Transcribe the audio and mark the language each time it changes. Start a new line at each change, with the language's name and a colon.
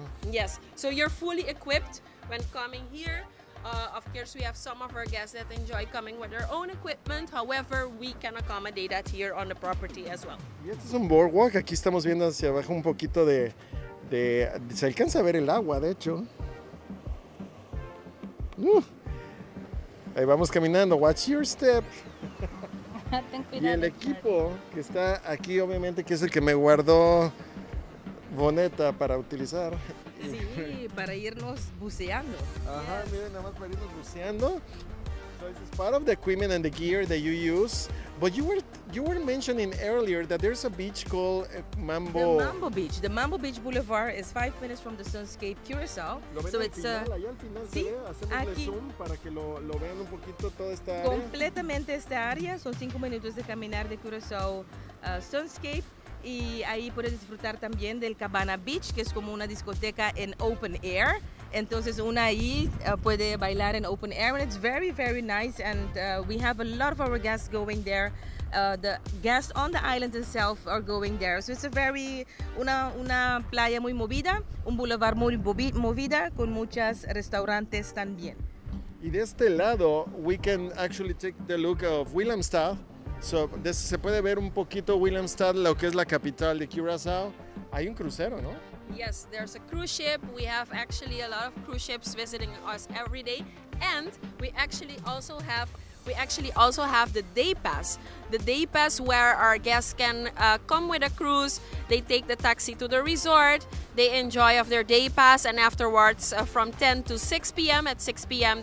English: Yes, so you're fully equipped when coming here. Of course, we have some of our guests that enjoy coming with their own equipment. However, we can accommodate that here on the property as well.
Spanish: Este es un boardwalk. Aquí estamos viendo hacia abajo un poquito de se alcanza a ver el agua, de hecho. Ahí vamos caminando.
English: Watch your step.
Spanish: Ten cuidado, y el equipo que está aquí, obviamente, que es el que me guardó Boneta para utilizar. Sí, para irnos buceando. Ajá, yes. Miren, nada más para irnos buceando.
English: So this is part of the equipment and the gear that you use. But you were mentioning earlier that there's a beach called Mambo. The Mambo Beach. The Mambo Beach Boulevard is 5 minutes from the Sunscape Curacao.
Spanish: Lo ven so al it's final, a. Al final, sí. Aquí. Zoom para que lo vean un poquito toda esta área. Completamente esta área. Son 5 minutos de caminar de Curacao Sunscape. Y ahí puedes disfrutar también del Cabana Beach, que es como una discoteca en open air. Entonces una ahí puede bailar en open air,
English: and it's very, very nice. And we have a lot of our guests going there. The guests on the island itself are going there. So it's a very,
Spanish: una playa muy movida, un boulevard muy movida, con muchas restaurantes también. Y de este lado,
English: we can actually take the look of Willemstad.
Spanish: So se puede ver un poquito Willemstad, lo que es la capital de Curacao. Hay un crucero, ¿no?
English: Yes, there's a cruise ship. We have actually a lot of cruise ships visiting us every day. And we actually also have the day pass. the day pass where our guests can come with a cruise. They take the taxi to the resort, they enjoy of their day pass, and afterwards from 10 to 6 p.m. at 6 p.m.